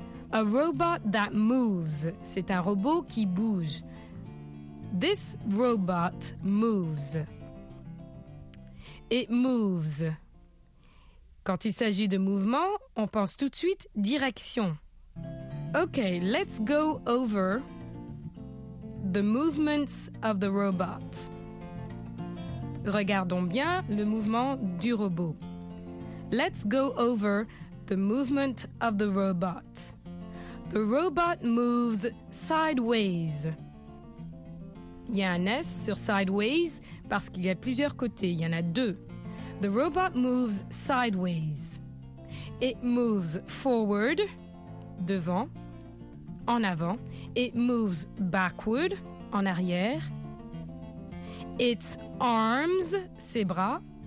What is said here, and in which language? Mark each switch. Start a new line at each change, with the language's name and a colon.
English: A robot that moves,
French: c'est un robot qui bouge.
English: This robot moves. It moves.
French: Quand il s'agit de mouvement, on pense tout de suite direction.
English: Okay, let's go over the movements of the robot.
French: Regardons bien le mouvement du robot.
English: Let's go over the movement of the robot. The robot moves sideways.
French: Il y a un S sur sideways parce qu'il y a plusieurs côtés. Il y en a deux.
English: The robot moves sideways. It moves forward,
French: devant, en avant.
English: It moves backward,
French: en arrière.
English: Its arms,
French: ses bras.